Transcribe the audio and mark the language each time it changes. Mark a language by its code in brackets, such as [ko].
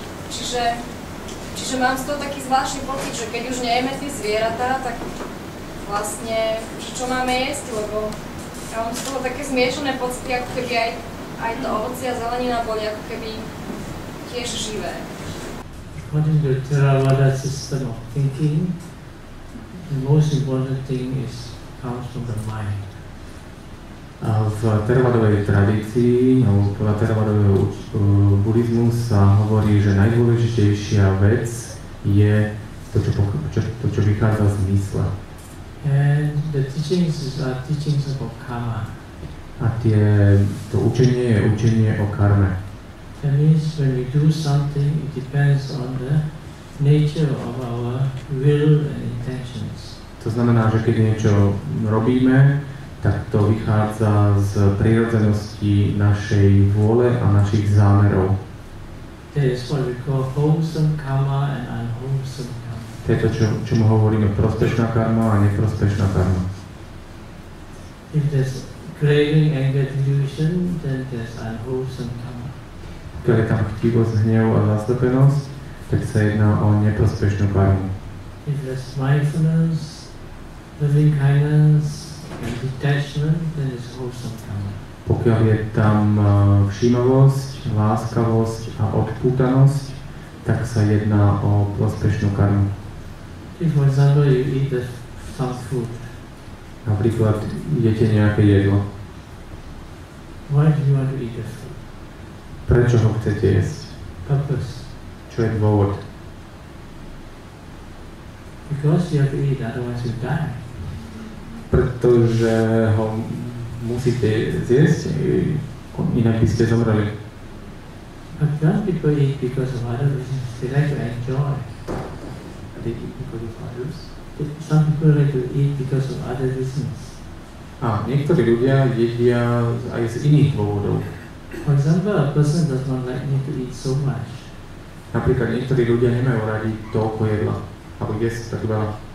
[sk] Čiže mám z toho taký zvláštny pocit, že keď už nejeme tie zvieratá, tak vlastne, že čo máme jesť, lebo ja mám z toho také zmiešané pocity, ako keby aj to ovoci a zelenina boli ako keby tiež živé. [en] according to Theravada system of thinking, the most important thing is comes from the mind. [sk] A v teravadovej tradícii, alebo podľa teravadového buddhizmu sa hovorí, že najdôležitejšia vec je to, čo vychádza z mysle. [en] And the teachings are teachings about karma. [sk] A tie, to učenie je učenie o karme. [en] That means when we do something, it depends on the nature of our will and intentions. [sk] To znamená, že keď niečo robíme, tak to vychádza z prirodzenosti našej vôle a našich zámerov. [en] That is what we call wholesome karma and unwholesome karma. [sk] To je to, čo mu hovoríme, prospešná karma a neprospešná karma. [en] If there's craving, anger, delusion, then there's unwholesome karma. [sk] Keď je tam chtivosť, hnev a zastupenosť, tak sa jedná o neprospešnú karmu. [en] If there's mindfulness, loving kindness, and detachment, then it's wholesome karma. [sk] Pokiaľ je tam všímavosť, láskavosť a odpútanosť, tak sa jedná o prospešnú karmu. [en] If, for example, you eat some food. [sk] Napríklad, jete nejaké jedlo. [en] Why do you want to eat the food? [sk] Prečo ho chcete jesť? [en] Purpose. [sk] Čo je dôvod? [en] Because you have to eat, otherwise you die. [sk] Pretože ho musíte zjesť, inak by ste zomreli. [en] But don't people eat because of other reasons. They like to enjoy. Are they eat because of others? Some people like to eat because of other reasons. [sk] A niektorí ľudia jedia aj z iných dôvodov. [en] For example, a person does not like me to eat so much. [sk] Napríklad niektorí ľudia nemajú rádi toľko jedla, alebo jesť tak veľa.